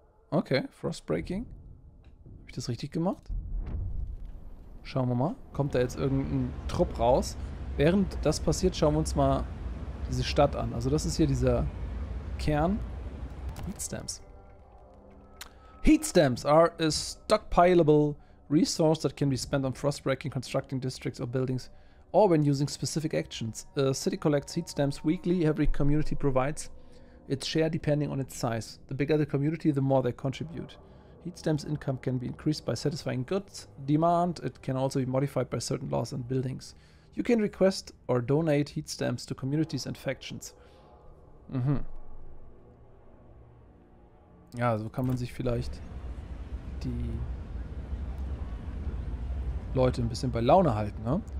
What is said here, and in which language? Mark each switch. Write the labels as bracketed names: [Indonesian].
[German] Okay, Frostbreaking. Habe ich das richtig gemacht? Schauen wir mal. Kommt da jetzt irgendein Trupp raus? Während das passiert, schauen wir uns mal diese Stadt an. Also das ist hier dieser Kern. Heatstamps. [English] Heatstamps are a stockpilable resource that can be spent on frostbreaking, constructing districts or buildings, or when using specific actions. A city collects heatstamps weekly. Every community provides its share depending on its size. The bigger the community, the more they contribute. Heatstamps income can be increased by satisfying goods demand. It can also be modified by certain laws and buildings. You can request or donate heatstamps to communities and factions. Mhm. [German] Ja, so kann man sich vielleicht die Leute ein bisschen bei Laune halten, ne?